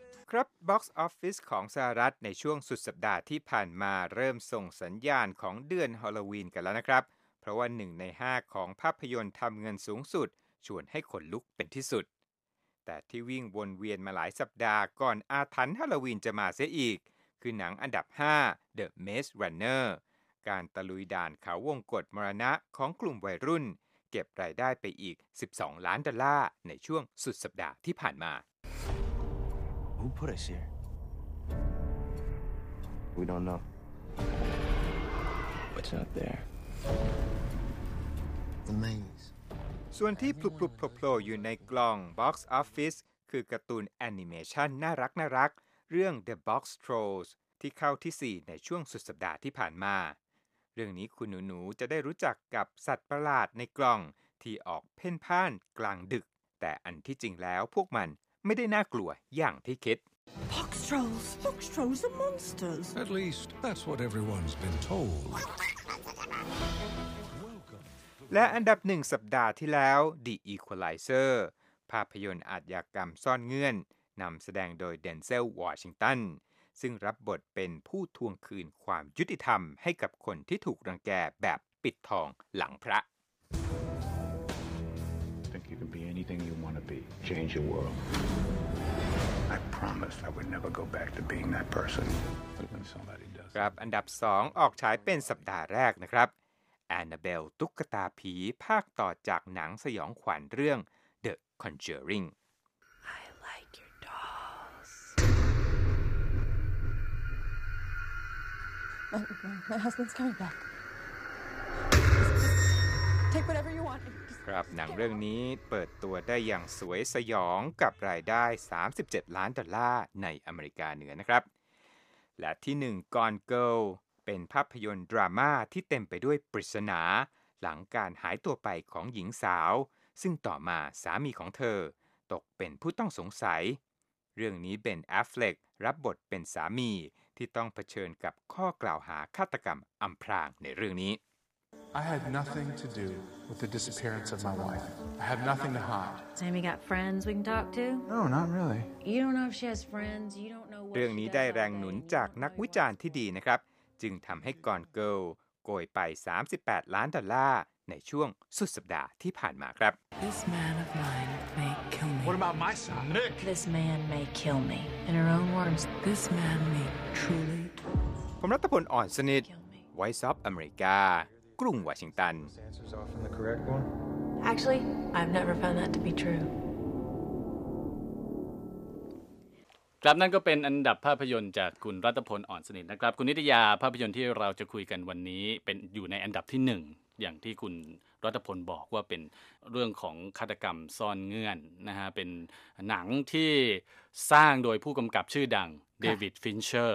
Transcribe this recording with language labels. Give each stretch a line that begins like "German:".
Thai: ครับ Box Office ของสหรัฐในช่วงสุดสัปดาห์ที่ผ่านมาเริ่มส่งสัญญาณของเดือนฮาโลวีนกันแล้วนะครับเพราะว่า1ใน5ของภาพยนตร์ทำเงินสูงสุดชวนให้ขนลุกเป็นที่สุดแต่ที่วิ่งวนเวียนมาหลายสัปดาห์ก่อนอาถรรพ์ฮาโลวีนจะมาเสียอีกคือหนังอันดับ5 The Maze Runner การตะลุยด่านเขาวงกตมรณะของกลุ่มวัยรุ่นเก็บรายได้ไปอีก12ล้านดอลลาร์ในช่วงสุดสัปดาห์ที่ผ่านมา
English: Who put us here? We don't know. What's not there? The maze.
Thai: ส่วนที่พลุบๆโผล่อยู่ในกล่อง Box Office คือการ์ตูนแอนิเมชันน่ารักน่ารักเรื่อง The Box Trolls ที่เข้าที่4ในช่วงสุดสัปดาห์ที่ผ่านมาเรื่องนี้คุณหนูๆจะได้รู้จักกับสัตว์ประหลาดในกล่องที่ออกเพ่นพ่านกลางดึกแต่อันที่จริงแล้วพวกมันไม่ได้น่ากลัวอย่างที่คิด
English: Box Trolls Box Trolls are monsters At least that's what everyone's been told
Thai: และอันดับ1สัปดาห์ที่แล้ว The Equalizer ภาพยนตร์อาชญากรรมซ่อนเงื่อนนำแสดงโดยเดนเซลวอชิงตันซึ่งรับบทเป็นผู้ทวงคืนความยุติธรรมให้กับคนที่ถูกรังแกแบบปิดทองหลังพระ
English: Think you can be anything you want to be change your world I promise I would never go back to being that person when somebody does
Thai: ครับอันดับ2ออกฉายเป็นสัปดาห์แรกนะครับAnnabelle ตุ๊กตาผีภาคต่อจากหนังสยองขวัญเรื่อง The Conjuring
English: I like your dolls My husband's coming back just Take whatever you want
Thai: ครับหนังเรื่องนี้เปิดตัวได้อย่างสวยสยองกับรายได้37ล้านดอลลาร์ในอเมริกาเหนือนะครับและที่1 Gone Girlเป็นภาพยนตร์ดราม่าที่เต็มไปด้วยปริศนาหลังการหายตัวไปของหญิงสาวซึ่งต่อมาสามีของเธอตกเป็นผู้ต้องสงสัยเรื่องนี้เป็นแอฟเฟล็กรับบทเป็นสามีที่ต้องเผชิญกับข้อกล่าวหาฆาตกรรมอำพรางในเรื่องนี้
English: I had nothing to do with the disappearance of my wife I had nothing to hide Sammy got friends we can talk to No not really You don't know if she has friends you don't know
Thai: เรื่องนี้ได้แรงหนุนจากนักวิจารณ์ที่ดีนะครับจึงทำให้ก่อนเกิลโกยไป38ล้านดอลลาร์ในช่วงสุดสัปดาห์ที่ผ่านมาครับ
English: This man of mine may kill me What about my son Nick This man may kill me In her own words This man may truly
Thai: ผมรัฐพลอ่อนสนิท Voice of America กรุงวอชิงตัน
English: Actually I've never found that to be true
Thai: ครับนั่นก็เป็นอันดับภาพยนตร์จากคุณรัตพลอ่อนสนิทนะครับคุณนิตยาภาพยนตร์ที่เราจะคุยกันวันนี้เป็นอยู่ในอันดับที่1อย่างที่คุณรัตพลบอกว่าเป็นเรื่องของฆาตกรรมซ่อนเงื่อนนะฮะเป็นหนังที่สร้างโดยผู้กำกับชื่อดังเดวิดฟินเชอร